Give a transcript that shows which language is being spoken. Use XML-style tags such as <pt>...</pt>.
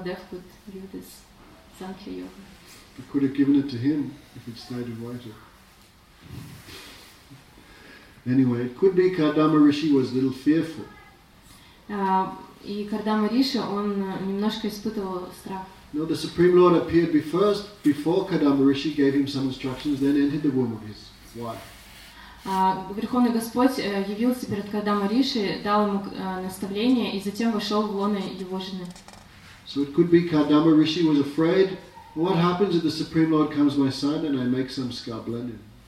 <en>We could have given it to him if he'd stayed and waited. Anyway, it could be Kardama Rishi was a little fearful.</en> <ru>И Кардама Риши он немножко испытывал страх.</ru> <en>No, the Supreme Lord appeared before Kardama Rishi gave him some instructions, then entered the womb of his wife.</en> <ru>Верховный Господь явился перед Кардама Риши, дал ему наставление, и затем вошел в лоно его жены.</ru> <en>So it could be Kardama Rishi was afraid. What happens if the Supreme Lord comes my son and I make some scablenin?</en>